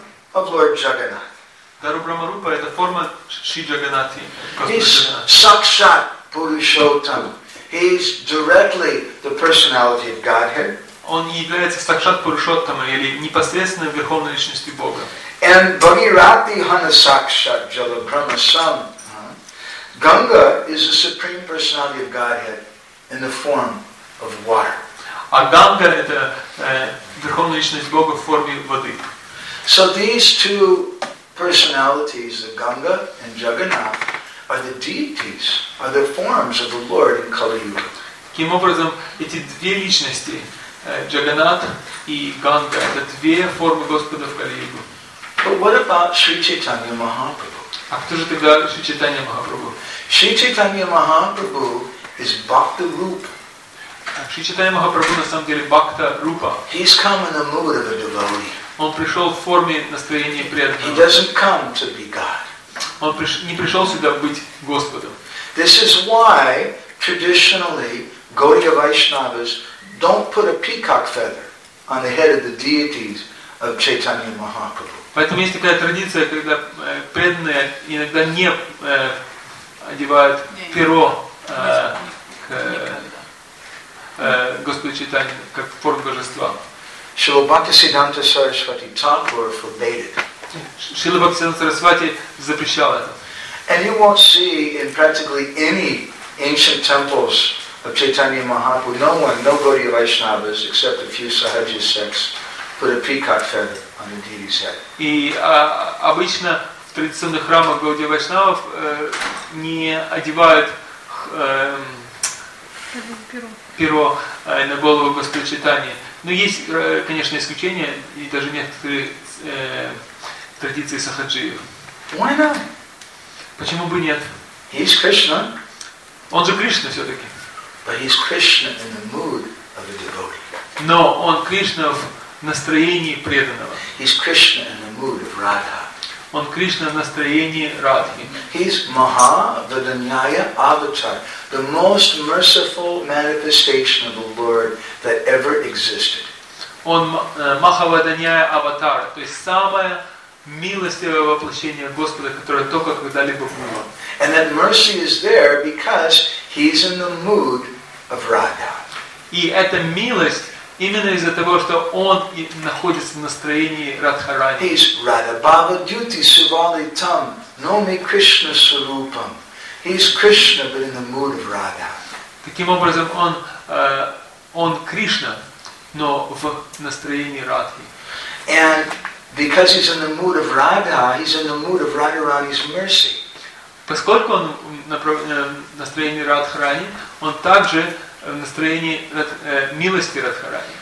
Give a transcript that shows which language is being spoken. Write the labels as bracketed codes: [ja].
[ru] Дару Брахмарупа – это форма Шри Джаганнатхи. [en] He's Сакшат Пурушоттам. He's directly the personality of Godhead. [ru] Он является сакшат пурушоттам или непосредственно верховной личностью Бога. [sa] And Bhagirathi Hanasakshat Jala Brahma Sam. [en] Ganga is the supreme personality of Godhead in the form of water. [ru] А Ганга это верховная личность Бога в форме воды. [en] So these two personalities, the Ganga and Jagannath, are the deities, are the forms of the Lord in Kali Yuga. [ru] Таким образом, эти две личности, Джаганнат и Ганга, это две формы Господа в Кали Югу. [en] But what about Sri Chaitanya Mahaprabhu? [ru] А кто же тогда Sri Chaitanya Mahaprabhu? [en] Sri Chaitanya Mahaprabhu is Bhakta Rupa. [ru] Sri Chaitanya Mahaprabhu на самом деле Bhakta Rupa. [en] He's come in the mood of a devotee. [ru] Он пришел в форме настроения преданного. [en] He doesn't come to be God. [ru] Он не пришел сюда быть Господом. [en] This is why traditionally Gaudiya Vaishnavas don't put a peacock feather on the head of the deities of Chaitanya Mahaprabhu. [ru] Поэтому есть такая традиция, когда преданные иногда не одевают перо к Господу Чайтанье, как форм божества. [en] Шрила Бхактисиддханта Сарасвати Тхакур forbade it. [ru] Шрила Бхактисиддханта Сарасвати запрещал это. [en] And you won't see in practically any ancient temples of Chaitanya Mahaprabhu, no one, no Gaudiya Vaishnavas, except a few Sahaja sects, put a peacock feather on the deity's head. [ru] И обычно в традиционных храмах Гаудия Вайшнавов не одевают перо на голову Господа Чайтанья. Но есть, конечно, исключения и даже некоторые традиции сахаджиев. [en] Why not? [ru] Почему бы нет? [en] He's Krishna. [ru] Он же Кришна все-таки. [en] But he's Krishna in the mood of a devotee. [ru] Но он Кришна в настроении преданного. [en] He's Krishna in the mood of Radha. [ru] Он Кришна в настроении Радхи. [en] He's Maha Vadanyaya Avatar, the most merciful manifestation of the Lord that ever existed. [ru] Он Маха Ваданьяя Аватар, то есть самое милостивое воплощение Господа, которое только когда-либо было. [en] And that mercy is there because he's in the mood of Radha. [ru] И эта милость именно из-за того, что он находится в настроении Радхарани. [sa] He's Radha Bhava Dyuti Suvali Tam Nomi Krishna Surupam. [en] He's Krishna, but in the mood of Radha. [ru] Таким образом, он Кришна, но в настроении Радхи. [en] And because he's in the mood of Radha, he's in the mood of Radharani's mercy. [ru] Поскольку он в настроении Радхарани, он также в настроении милости Радхарани.